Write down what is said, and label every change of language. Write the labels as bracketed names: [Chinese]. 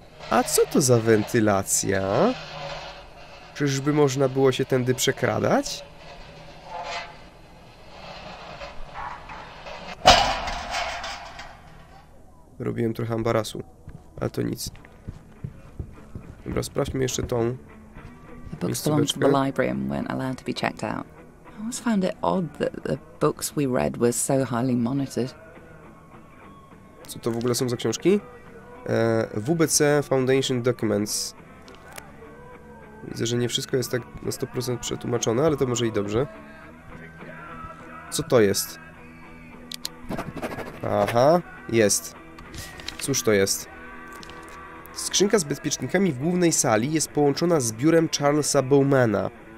[Polish] A co to za wentylacja? Czyżby można było się tędy przekradać? Robiłem trochę ambarasu, ale to nic. Dobra, sprawdźmy jeszcze tą. [English] The books belonged to the library and weren't allowed to be checked out. I always found it odd that the books we read were so highly monitored. [Polish] Co to w ogóle są za książki? WBC Foundation Documents. Widzę, że nie wszystko jest tak na 100% przetłumaczone, ale to może i dobrze. Co to jest? Aha, jest. Cóż to jest? Skrzynka z bezpiecznikami w głównej sali jest połączona z biurem Charlesa Bowmana.